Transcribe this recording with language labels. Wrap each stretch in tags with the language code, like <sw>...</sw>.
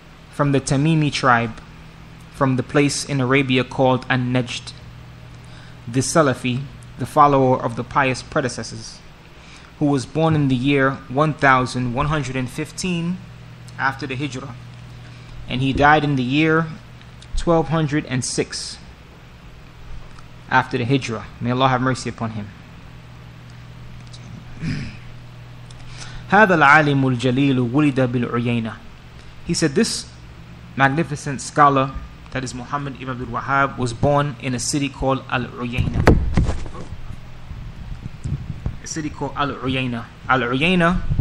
<en>from the Tamimi tribe, from the place in Arabia called An-Najd, the Salafi, the follower of the pious predecessors, who was born in the year 1115 after the Hijrah, and he died in the year 1206 after the Hijrah. May Allah have mercy upon him.</en> <ar>هذا العالم الجليل ولد بالعيينة.</ar> <en>He said, this magnificent scholar, that is Muhammad ibn Abdul Wahhab, was born in a city called Al-Uyayna. City called Al-Uyayna. Al-Uyayna.</en>